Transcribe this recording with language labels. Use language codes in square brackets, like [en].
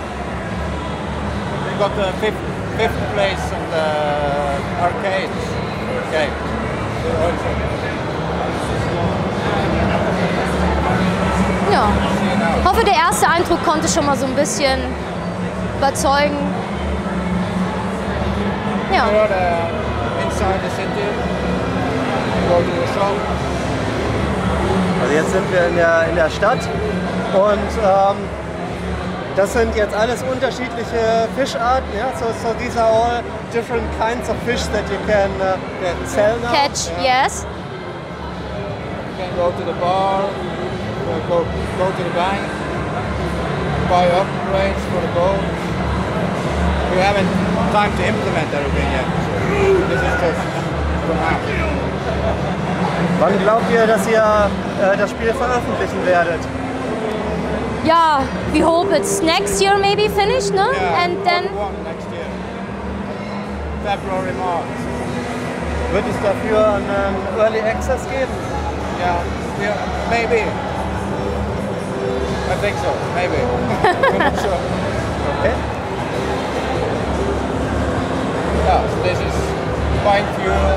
[en] We got the fifth place in the arcade game. [de] Okay. Ja. Hoffe, der erste Eindruck konnte schon mal so ein bisschen überzeugen. Ja. [en] We are inside the city. Go to the shop. [de] Also jetzt sind wir in der Stadt und das sind jetzt alles unterschiedliche Fischarten, ja? [en] So these are all different kinds of fish that you can sell now. Catch, [de] ja. [en] Yes. You can go to the bar, go to the bank, buy upgrades for the boat. We haven't time to implement everything yet. This is just for now. [de] Wann glaubt ihr, dass ihr das Spiel veröffentlichen werdet? [en] Ja, we hope it's next year maybe finished, no? Yeah, and then next year. February, March. [de] Wird es dafür einen Early Access geben? [en] Yeah, maybe. I think so, maybe. Okay. Yeah, so this is quite few.